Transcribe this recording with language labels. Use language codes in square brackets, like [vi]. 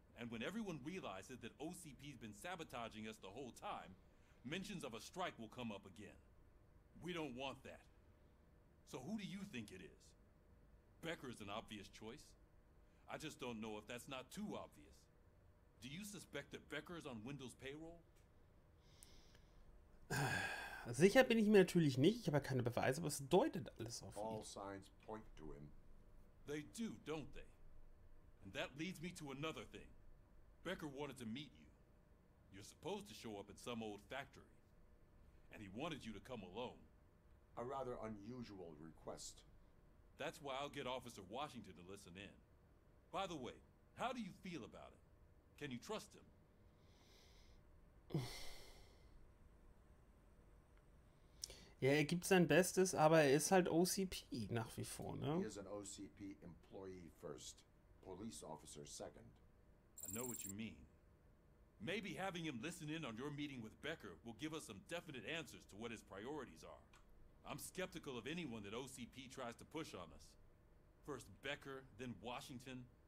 [en] And when everyone realizes that OCP's been sabotaging us the whole time, mentions of a strike will come up again. We don't want that. So who do you think it is? Becker is an obvious choice. I just don't know if that's not too obvious. Do you suspect that Becker is on Wendell's payroll? [de] Sicher bin ich mir natürlich nicht. Ich habe ja keine Beweise, aber es deutet alles auf ihn. [en] All signs point to him. They do, don't they? And that leads me to another thing. Becker wanted to meet you. You're supposed to show up at some old factory. And he wanted you to come alone. A rather unusual request. That's why I'll get Officer Washington to listen in. By the way, how do you feel about it? Can you trust him? [de] Ja, er gibt sein Bestes, aber er ist halt OCP nach wie vor, ne? [en] He is an OCP employee first, police officer second. I know what you mean. Maybe having him listen in on your meeting with Becker will give us some definite answers to what his priorities are. I'm skeptical of anyone that OCP tries to push on us. First Becker, then Washington.